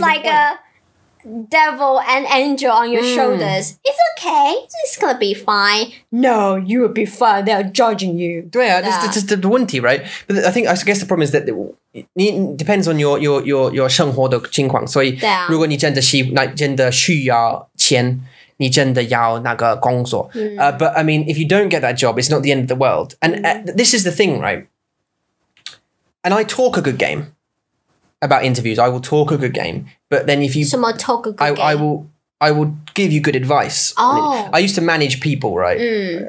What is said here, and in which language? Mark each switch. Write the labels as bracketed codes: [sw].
[en] that's like devil and angel on your shoulders. It's okay. It's gonna be fine. No, you will be fine. They're judging you. [zh] 对啊, [en] that's just the 问题, right? But I think, I guess the problem is that it depends on your [zh] 生活的情况。所以如果你真的需要钱,你真的要那个工作。 [en] But I mean, if you don't get that job, it's not the end of the world. And this is the thing, right? And I talk a good game. About interviews, I will talk a good game. But then if you... Someone talk a good game. I will give you good advice. Oh. I used to manage people, right?